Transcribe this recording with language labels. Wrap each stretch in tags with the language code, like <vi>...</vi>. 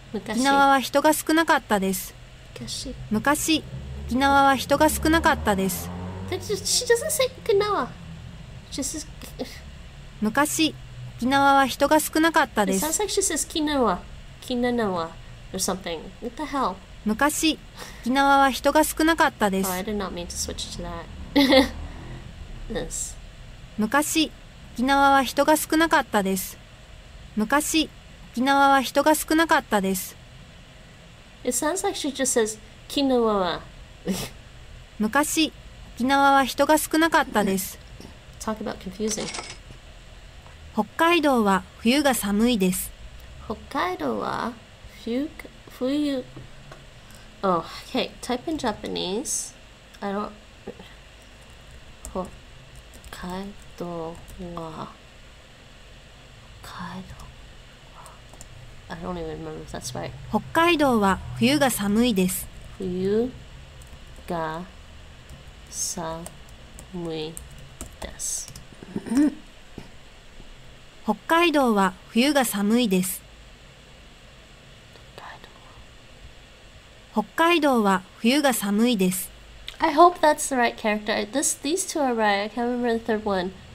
<ja>沖縄は人が少なかったです。昔、沖縄は人が少なかったです。</ja> <en>She doesn't say 沖縄。She says</en> <ja>昔、沖縄は人が少なかったです。</ja> <en>It sounds like she says 沖縄、沖縄 or something. What the hell?</en> <ja>昔、沖縄は人が少なかったです。</ja> <en>Oh, I did not mean to switch to that. This.</en> <ja>昔、沖縄は人が少なかったです。昔。沖縄は人が少なかったです。</ja> <en>It sounds like she just says</en> <ja>沖縄は。昔、沖縄は人が少なかったです。</ja> <en>Talk about confusing.</en> <ja>北海道は冬が寒いです。北海道は冬。冬。</ja> <en>Oh, okay. Type in Japanese. I don't.</en> <ja>北海道は。北海道。</ja> <en>I don't even remember if that's right.</en> <ja>北海道は冬が寒いです。冬が寒いです。北海道は冬が寒いです。北海道は冬が寒いです。</ja> <en>I hope that's the right character. These two are right. I can't remember the third one.</en>